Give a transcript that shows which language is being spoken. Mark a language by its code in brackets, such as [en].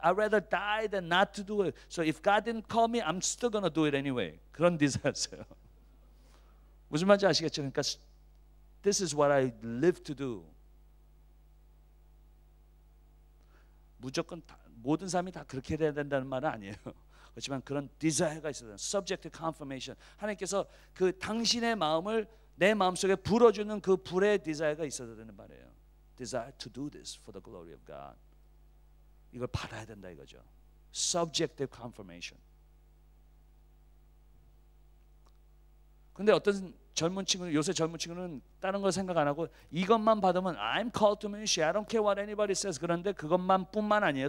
[en] I'd rather die than not to do it. So if God didn't call me, I'm still going to do it anyway. [ko] 그런 desire였어요. 무슨 말인지 아시겠죠? 그러니까 [en] this is what I live to do. [ko] 무조건 다, 모든 사람이 다 그렇게 돼야 된다는 말은 아니에요. 그렇지만 그런 desire가 있어요. [en] Subject confirmation. [ko] 하나님께서 그 당신의 마음을 내 마음속에 불어주는 그 불의 desire가 있어야 되는 말이에요. [en] Desire to do this for the glory of God. [ko] 이걸 받아야 된다 이거죠. [en] Subjective confirmation. [ko] 근데 어떤 젊은 친구는, 요새 젊은 친구는 다른 걸 생각 안 하고 이것만 받으면 [en] I'm called to ministry. I don't care what anybody says. [ko] 그런데 그것만 뿐만 아니에요.